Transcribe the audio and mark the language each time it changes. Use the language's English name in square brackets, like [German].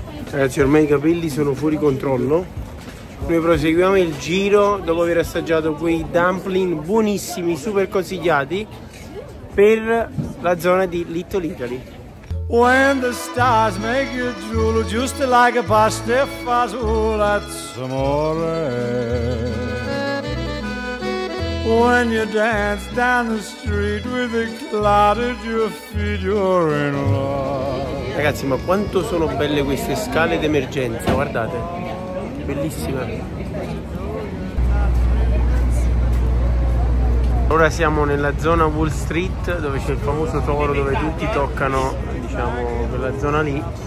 [Italian] Ragazzi, ormai i capelli sono fuori controllo. Noi proseguiamo il giro dopo aver assaggiato quei dumpling buonissimi, super consigliati per la zona di Little Italy. [English] When the stars make you drool just like a pasta fazzola, that's amore. When you dance down the street with a cloud at your feet, you're in love. [Italian] Ragazzi, ma quanto sono belle queste scale d'emergenza, guardate. Bellissime. Ora siamo nella zona Wall Street, dove c'è il famoso toro dove tutti toccano, diciamo, quella zona lì.